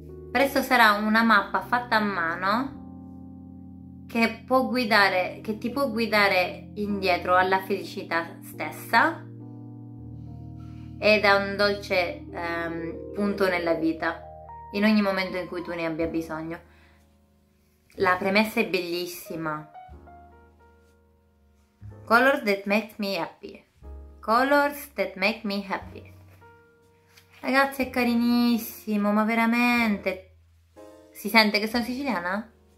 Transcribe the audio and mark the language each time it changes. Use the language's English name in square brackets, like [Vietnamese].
[Italian] Presto sarà una mappa fatta a mano che ti può guidare indietro alla felicità stessa ed a un dolce punto nella vita in ogni momento in cui tu ne abbia bisogno. La premessa è bellissima, [English] Colors that make me happy. Colors that make me happy. [Italian] Ragazzi, è carinissimo, ma veramente. Si sente che sono siciliana?